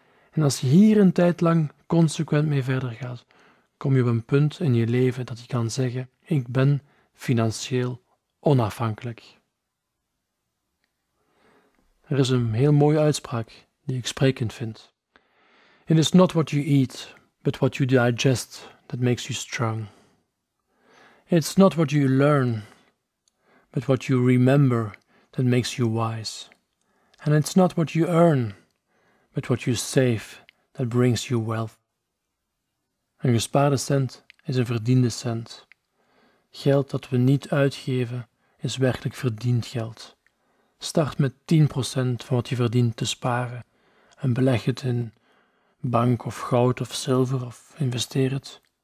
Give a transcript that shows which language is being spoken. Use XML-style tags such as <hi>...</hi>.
<nl>En als je hier een tijd lang consequent mee verder gaat, kom je op een punt in je leven dat je kan zeggen: ik ben financieel onafhankelijk. Er is een heel mooie uitspraak die ik sprekend vind.</nl> <en>It is not what you eat, but what you digest that makes you strong. It's not what you learn, but what you remember that makes you wise. And it's not what you earn, but what you save that brings you wealth.</en> <nl>Een gespaarde cent is een verdiende cent. Geld dat we niet uitgeven is werkelijk verdiend geld. Start met 10% van wat je verdient te sparen en beleg het in bank of goud of zilver of investeer het.</nl>